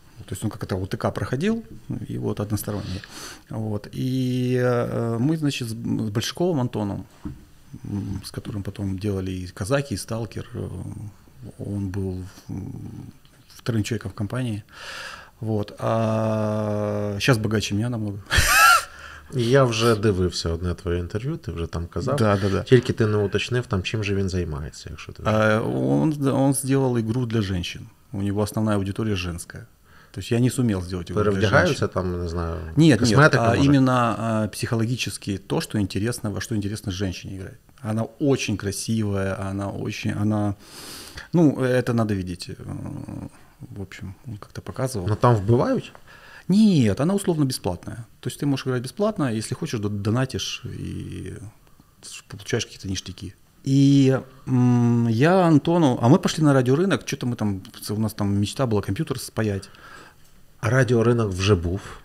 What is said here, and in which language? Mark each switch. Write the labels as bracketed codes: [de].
[ru] То есть он как это УТК проходил, и вот односторонние. Вот. И мы, значит, с Большаковым Антоном, с которым потом делали и «Казаки», и «Сталкер», он был вторым человеком в компании. Вот. А сейчас богаче меня намного. [uk] Я вже дивився одне твоє інтерв'ю, ти вже там казав. [ru] Да, да, да. [uk] Тільки ти не уточнив, там, чим же він займається, якщо ти... Він зробив ігру для жінок. У нього основна аудиторія жінка. Тобто я не зумів зробити ігру для жінок. Перевдягаюся там, не знаю, ні, косметику, може? Ні, а іменно психологічно то, що цікаво, во що цікаво жінці грати. Вона дуже красива, вона дуже... [ru] Она... [uk] Ну, це треба бачити. [ru] В общем, [uk] він як-то показував. Но там вбивають? [ru] Нет, она условно бесплатная. То есть ты можешь играть бесплатно, если хочешь, донатишь и получаешь какие-то ништяки. И я Антону... А мы пошли на радиорынок, что-то мы там... У нас там мечта была компьютер спаять. А радиорынок уже был?